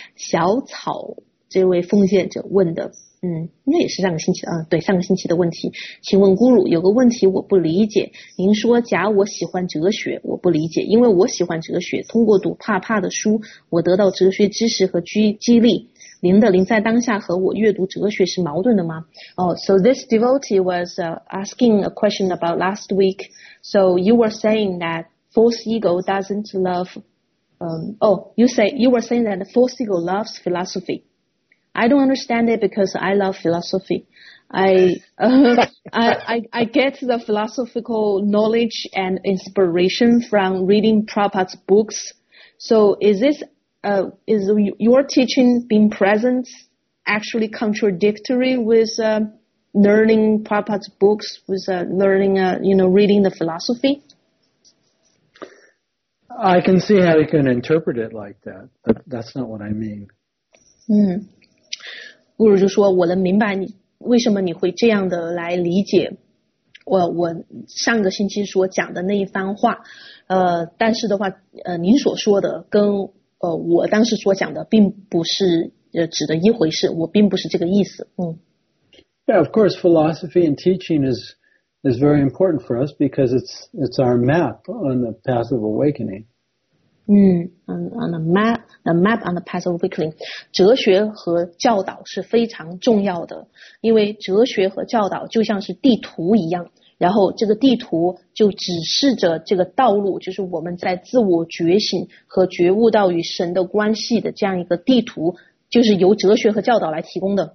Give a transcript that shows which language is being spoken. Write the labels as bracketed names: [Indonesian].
[Chinese] 小草这位奉献者问的，应该也是上个星期，对，上个星期的问题。请问咕噜，有个问题我不理解。您说假我喜欢哲学，我不理解，因为我喜欢哲学，通过读帕帕的书，我得到哲学知识和激励。您的临在当下和我阅读哲学是矛盾的吗？ [English] So this devotee was asking a question about last week. So you were saying that false ego doesn't love, you were saying that the false ego loves philosophy. I don't understand it because I love philosophy. I get the philosophical knowledge and inspiration from reading Prabhupada's books. So is your teaching being present actually contradictory with learning Prabhupada's books, with reading the philosophy? I can see how you can interpret it like that, but that's not what I mean. [Chinese] 咕噜就说我能明白你为什么你会这样的来理解我上个星期所讲的那一番话，但是的话，您所说的跟我当时所讲的并不是指的一回事，我并不是这个意思。嗯。 [English] Yeah, of course, philosophy and teaching is very important for us because it's our map on the path of awakening. 嗯 ，on the map on the path of awakening. [Chinese] 哲学和教导是非常重要的，因为哲学和教导就像是地图一样，然后这个地图就指示着这个道路，就是我们在自我觉醒和觉悟到与神的关系的这样一个地图，就是由哲学和教导来提供的。